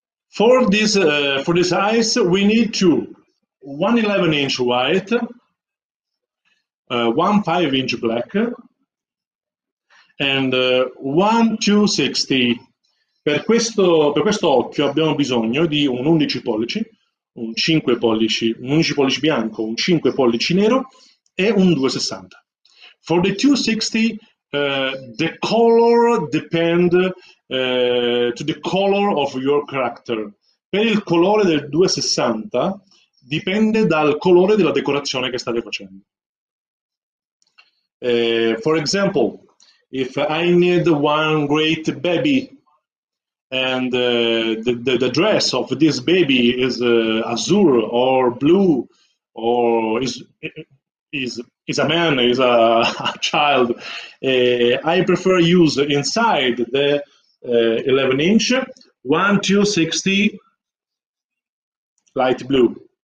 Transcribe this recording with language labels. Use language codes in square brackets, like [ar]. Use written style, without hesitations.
[en] For this eyes, we need to 1 11 inch white, 1 5 inch black, and 1 2 60. [it] Per questo occhio abbiamo bisogno di un 11 pollici, un 5 pollici, un 11 pollici bianco, un 5 pollici nero. È un 260. [en] For the 260, the color depend to the color of your character. [it] Per il colore del 260 dipende dal colore della decorazione che state facendo. [en] For example, if I need one great baby and the dress of this baby is azure or blue or is a man, is a child, I prefer use inside the 11 inch 1 2 60 light blue.